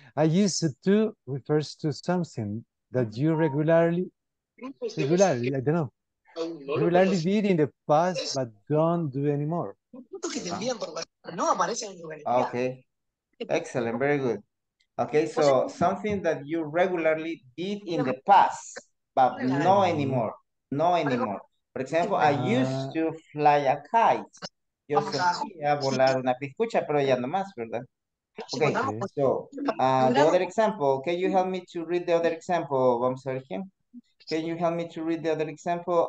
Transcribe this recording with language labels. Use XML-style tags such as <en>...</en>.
<en>I used to refers to something that you regularly, I don't know, regularly did in the past, but don't do anymore. Okay, excellent, very good. Okay, so something that you regularly did in the past, but no anymore, no anymore. For example, I used to fly a kite.</en> <es>Yo solía volar una piscucha, pero ya no más, ¿verdad?</es> <en>Okay, so the other example. Can you help me to read the other example?</en> <es>Vamos a ver quién.</es> <en>Can you help me to read the other example?</en>